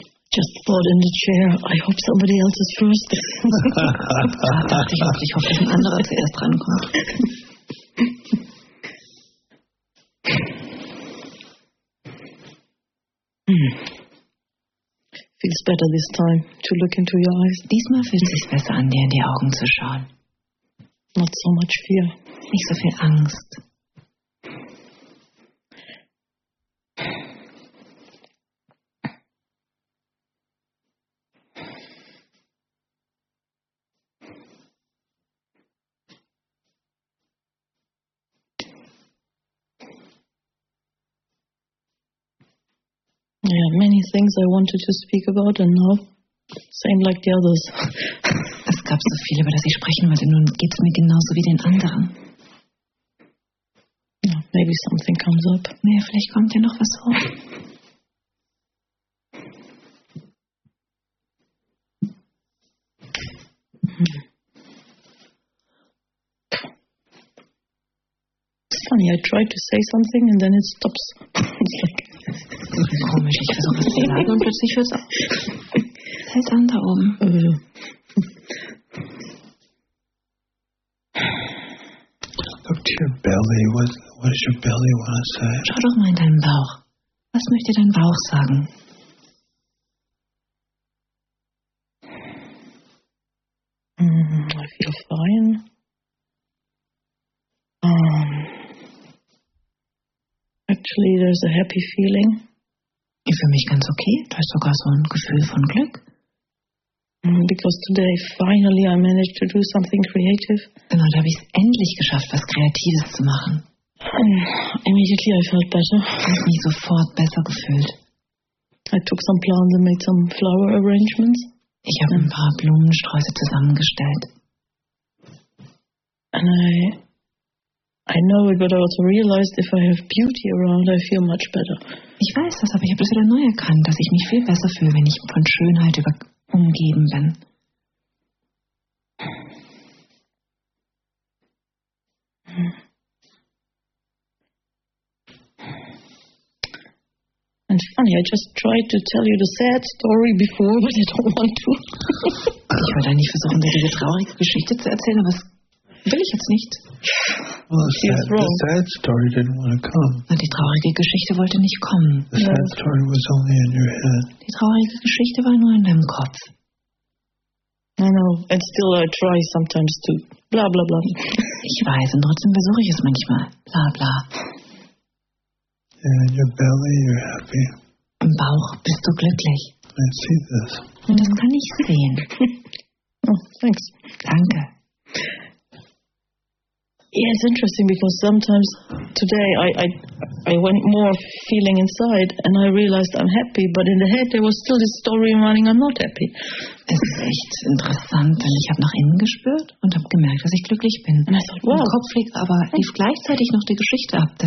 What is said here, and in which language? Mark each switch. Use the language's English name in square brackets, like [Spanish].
[English] Just thought in the chair. I hope somebody else is first. [German] Ich hoffe, dass ein anderer zuerst rankommt. [English] Feels better this time to look into your eyes. [German] Diesmal fühlt es sich besser an, dir in die Augen zu schauen. [English] Not so much fear. [German] Nicht so viel Angst. [English] Yeah, many things I wanted to speak about, and now same like the others. [German] Es gab so viel, über das ich sprechen wollte. Nun geht's mir genauso wie den anderen. [English] Yeah, maybe something comes up. [German] Naja, vielleicht kommt ja noch was hoch. [English] It's funny. I try to say something, and then it stops. It's like. [German] Komisch, ich versuche es zu sagen und plötzlich hört es auf. Es hält an da oben. [English] Look to your belly. What does your belly want to say? [German] Schau doch mal in deinen Bauch. Was möchte dein Bauch sagen? [English] I feel fine. Actually, there's a happy feeling. [German] Ich fühle mich ganz okay. Da ist sogar so ein Gefühl von Glück. [English] Because today finally I managed to do something creative. [German] Genau, da habe ich es endlich geschafft, was Kreatives zu machen. [English] Immediately I felt better. [German] Ich habe mich sofort besser gefühlt. [English] I took some plants and made some flower arrangements. [German] Ich habe ein paar Blumensträuße zusammengestellt. [English] And I know it, but I also realized if I have beauty around, I feel much better. [German] Ich weiß das, aber ich habe das wieder neu erkannt, dass ich mich viel besser fühle, wenn ich von Schönheit umgeben bin. [English] And funny, I just tried to tell you the sad story before, but I don't want to. [German] Ich würde eigentlich versuchen, dir diese traurige Geschichte zu erzählen, aber es Will ich jetzt nicht. [English] Well, the sad story didn't want to come. [German] Na, die traurige Geschichte wollte nicht kommen. [English] The sad story was only in your head. [German] Die traurige Geschichte war nur in deinem Kopf. [English] I know, and still I try sometimes to blah blah blah. [German] Ich weiß, und trotzdem versuche ich es manchmal. Bla bla. [English] Yeah, in your belly you're happy. [German] Im Bauch bist du glücklich. [English] I see this. [German] Und das kann ich sehen. [English] Oh, thanks. [German] Danke. [English] Yeah, it's interesting because sometimes today I went more feeling inside and I realized I'm happy, but in the head there was still this story running, I'm not happy. [German] Es ist echt interessant, denn ich habe nach innen gespürt und habe gemerkt, dass ich glücklich bin. [English] And I thought, wow. [German] Im Kopf liegt aber gleichzeitig noch die Geschichte ab, dass